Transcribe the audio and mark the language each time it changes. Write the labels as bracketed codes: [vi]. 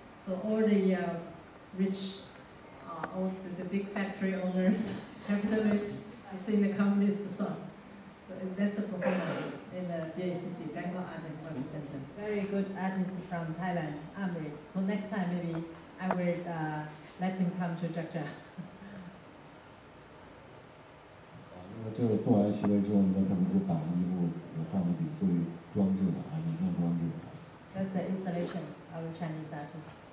[en] So all the rich, all the big factory owners, capitalists, they sing the communist song. So that's the performance in the BACC, Bangkok Art and Culture Center. Very good artist from Thailand, Amri. So next time maybe I will let him come to Jakarta. [zh] 那这个做完席位之后呢，他们就把衣服放那里作为装置了啊，影像装置。 [en] That's the installation of Chinese artists.